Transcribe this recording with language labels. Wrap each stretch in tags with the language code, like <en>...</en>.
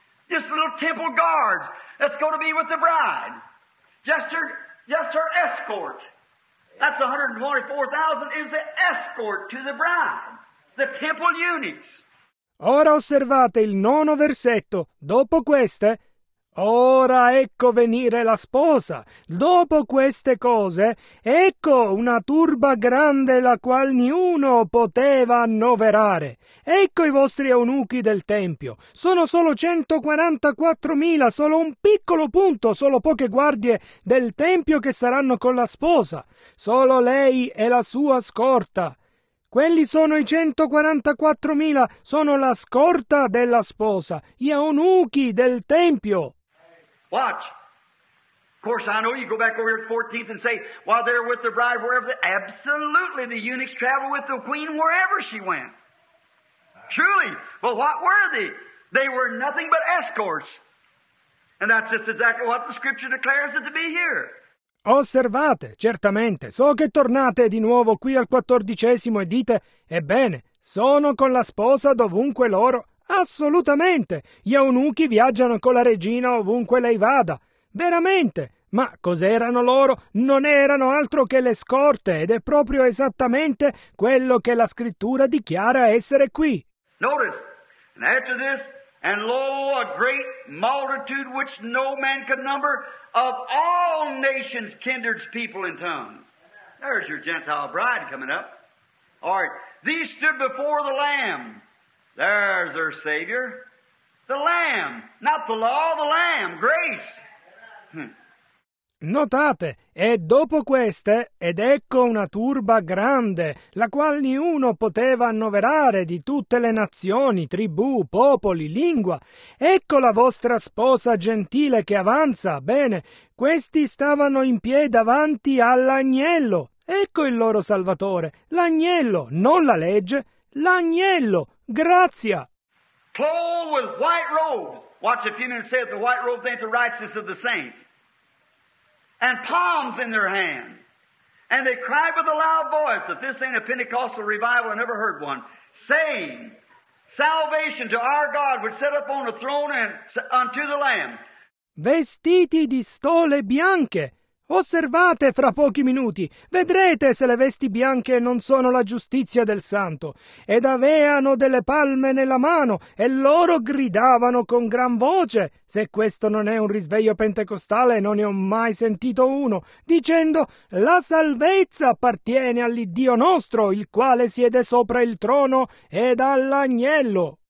<en>Just little temple guards that's going to be with the bride. Just her escort. That's 124,000 is the escort to the bride. The temple eunuchs.</en> <it>Ora osservate il nono versetto. Dopo queste, ora ecco venire la sposa. Dopo queste cose, ecco una turba grande la qual niuno poteva annoverare. Ecco i vostri eunuchi del tempio. Sono solo 144,000, solo un piccolo punto, solo poche guardie del tempio che saranno con la sposa. Solo lei e la sua scorta. Quelli sono i 144,000, sono la scorta della sposa, gli eunuchi del tempio.</it> <en>Watch. Of course, I know you go back over here to 14th and say, while they're with the bride, wherever they... Absolutely, the eunuchs travel with the queen wherever she went. Truly. Well, what were they? They were nothing but escorts. And that's just exactly what the Scripture declares it to be here.</en> <it>Osservate, certamente. So che tornate di nuovo qui al 14° e dite, ebbene, sono con la sposa dovunque loro... Assolutamente, gli eunuchi viaggiano con la regina ovunque lei vada, veramente, ma cos'erano loro? Non erano altro che le scorte ed è proprio esattamente quello che la scrittura dichiara essere qui.</it> <en>Notice, and after this, and lo, a great multitude which no man could number, of all nations, kindreds, people, and tongues. There's your Gentile bride coming up. All right, these stood before the Lamb. There's our Savior. The Lamb, not the law, the Lamb, grace.</en> <it>Notate, e dopo queste, ed ecco una turba grande, la quale niuno poteva annoverare di tutte le nazioni, tribù, popoli, lingua. Ecco la vostra sposa gentile che avanza. Bene, questi stavano in piedi davanti all'agnello. Ecco il loro Salvatore. L'agnello, non la legge. L'agnello. Grazia.</it> <en>Clothed with white robes. Watch a few minutes and say the white robes ain't the righteousness of the saints. And palms in their hand. And they cried with a loud voice, if this ain't a Pentecostal revival, I never heard one, saying, salvation to our God which set up on the throne and unto the Lamb.</en> <it>Vestiti di stole bianche. Osservate fra pochi minuti, vedrete se le vesti bianche non sono la giustizia del santo. Ed aveano delle palme nella mano e loro gridavano con gran voce, se questo non è un risveglio pentecostale, non ne ho mai sentito uno, dicendo la salvezza appartiene all'Iddio nostro, il quale siede sopra il trono ed all'agnello.</it>